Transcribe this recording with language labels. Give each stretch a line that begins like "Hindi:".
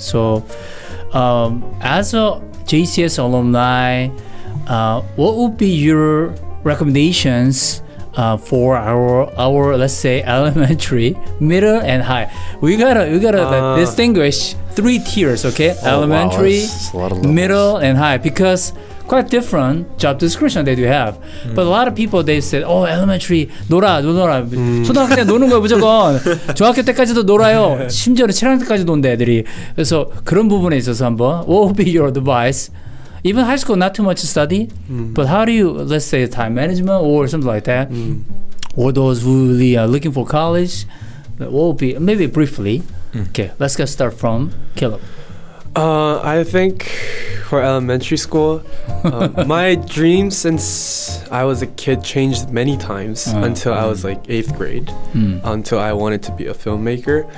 English: So, as a JCS alumni, what would be your recommendations for our let's say elementary, middle, and high? We gotta distinguish three tiers, okay? Elementary, middle, and high, because quite different job description that you have. But a lot of people, they said, oh, elementary,
Korean: 놀아. 초등학교 때 노는 거야, 무조건. 중학교 때까지도 놀아요. 심지어는 7학년 때까지 논다, 애들이. 그래서 그런 부분에 있어서 한번,
English: what would be your advice? Even high school, not too much study, but how do you, let's say, time management or something like that? Or those who really are looking for college? What would be, maybe briefly. Okay, let's get started from Caleb. I think for elementary school, my dream since I was a kid changed many times until I was like 8th grade, until I wanted to be a filmmaker.